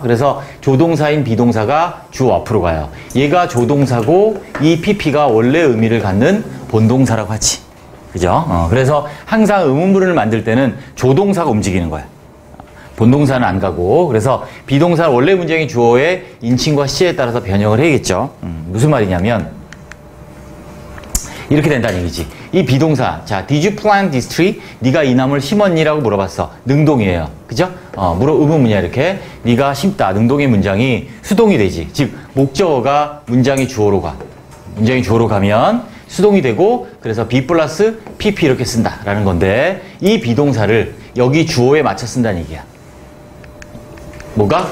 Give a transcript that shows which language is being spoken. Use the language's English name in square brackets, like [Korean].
[Korean] 그래서 조동사인 비동사가 주어 앞으로 가요. 얘가 조동사고 이 PP가 원래 의미를 갖는 본동사라고 하지. 그죠? 그래서 항상 의문문을 만들 때는 조동사가 움직이는 거야. 본동사는 안 가고, 그래서 비동사는 원래 문장의 주어의 인칭과 시에 따라서 변형을 해야겠죠. 무슨 말이냐면 이렇게 된다는 얘기지. 이 비동사, 자, [English] Did you plant this tree? [Korean] 네가 이 나무를 심었니? 라고 물어봤어. 능동이에요. 그죠? 의문문이야. 이렇게 네가 심다, 능동의 문장이 수동이 되지. 즉 목적어가 문장의 주어로 가. 문장의 주어로 가면 수동이 되고, 그래서 be 플러스 pp 이렇게 쓴다라는 건데, 이 비동사를 여기 주어에 맞춰 쓴다는 얘기야. 뭐가?